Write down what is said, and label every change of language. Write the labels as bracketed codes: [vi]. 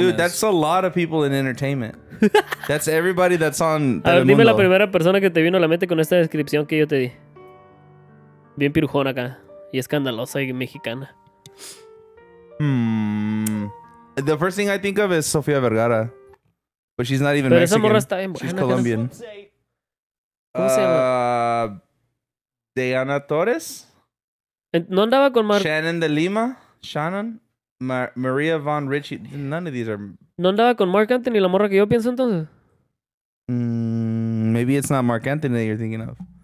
[en] Dude, that's a lot of people in entertainment. That's everybody that's on... [es] A ver, dime la primera persona que te vino a la mente con esta descripción que yo te di. Bien pirujona acá. Y escandalosa y mexicana. [en] The first thing I think of is Sofía Vergara. But she's not even [es] pero [en] Mexican. [es] Esa morra está bien. [en] She's Colombian. [es] ¿Cómo se llama? Diana Torres. ¿No andaba con Mar... [en] Shannon de Lima? Shannon? Maria Von Ritchie? None of these are... [es] ¿No andaba con Mark Anthony, la morra que yo pienso entonces? [en] Maybe it's not Mark Anthony that you're thinking of.